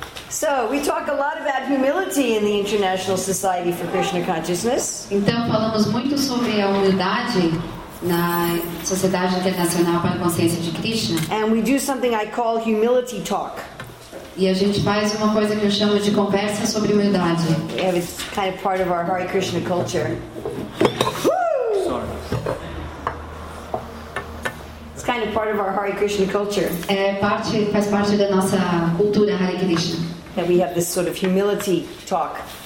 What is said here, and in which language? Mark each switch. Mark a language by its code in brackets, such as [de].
[en] So, we talk a lot about humility in the International Society for Krishna Consciousness. [pt] Então, falamos muito sobre a humildade na Sociedade Internacional para a Consciência de Krishna. [en] And we do something I call humility talk. [pt] E a gente faz uma coisa que eu chamo de conversa sobre humildade. [en] Yeah, it's kind of part of our Hare Krishna culture. Kind of part of our Hare Krishna culture. [pt] Faz parte da nossa cultura Hare Krishna. [en] That we have this sort of humility talk.